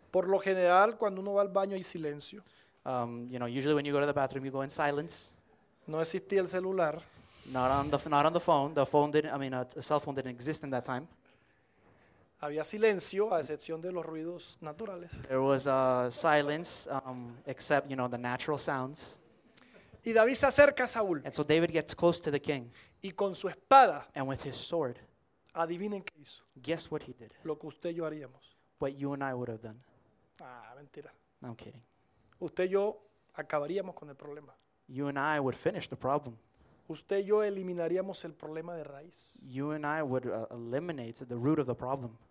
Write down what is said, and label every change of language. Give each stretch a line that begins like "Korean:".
Spanish: Por lo general, cuando uno va al baño hay silencio.
English: Usually when you go to the bathroom, you go in silence.
Spanish: No existía el celular.
English: Not on the phone. The phone didn't. A cell phone didn't exist in that time.
Spanish: Había silencio a excepción de los ruidos naturales.
English: There was a silence, except the natural sounds.
Spanish: Y David se acerca a Saúl.
English: And so David gets close to the king.
Spanish: Y con su espada.
English: And with his sword.
Spanish: Adivinen qué hizo.
English: Guess what he did.
Spanish: Lo que usted y yo haríamos.
English: What you and I would have done.
Spanish: Ah, mentira.
English: No, I'm kidding.
Spanish: Usted y yo acabaríamos con el problema.
English: You and I would finish the problem.
Spanish: Usted y yo eliminaríamos el problema de raíz.
English: You and I would eliminate the root of the problem.